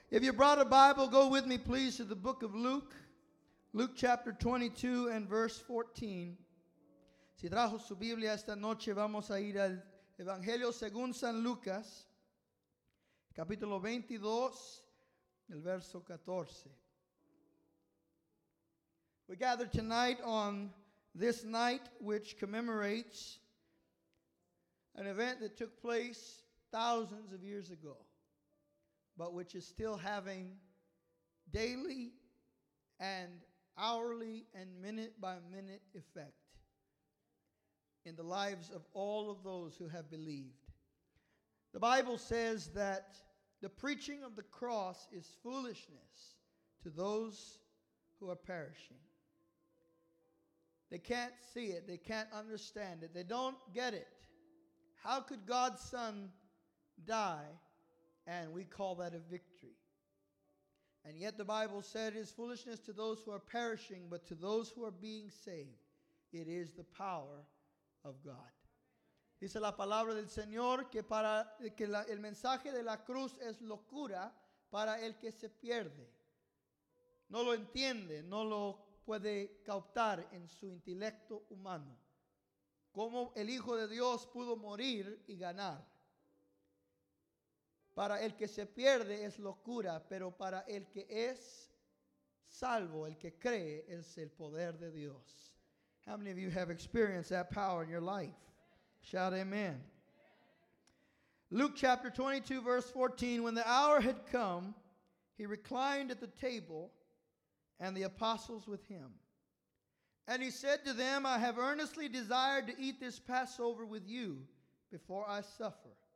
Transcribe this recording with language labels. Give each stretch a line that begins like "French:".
English: If you brought a Bible, go with me, please, to the book of Luke. Luke chapter 22 and verse 14.
Spanish: Si trajo su Biblia esta noche, vamos a ir al Evangelio según San Lucas, capítulo 22, el verso 14.
English: We gather tonight on this night, which commemorates an event that took place thousands of years ago, but which is still having daily and hourly and minute by minute effect in the lives of all of those who have believed. The Bible says that the preaching of the cross is foolishness to those who are perishing. They can't see it. They can't understand it. They don't get it. How could God's Son die? And we call that a victory. And yet the Bible said it is foolishness to those who are perishing, but to those who are being saved, it is the power of God.
Spanish: Dice la palabra del Señor que para que la, el mensaje de la cruz es locura para el que se pierde. No lo entiende, no lo puede captar en su intelecto humano. ¿Cómo el Hijo de Dios pudo morir y ganar? Para el que se pierde es locura, pero para el que es salvo, el que cree, es el poder de Dios.
English: How many of you have experienced that power in your life? Shout amen. Luke chapter 22, verse 14. When the hour had come, he reclined at the table and the apostles with him. And he said to them, I have earnestly desired to eat this Passover with you before I suffer.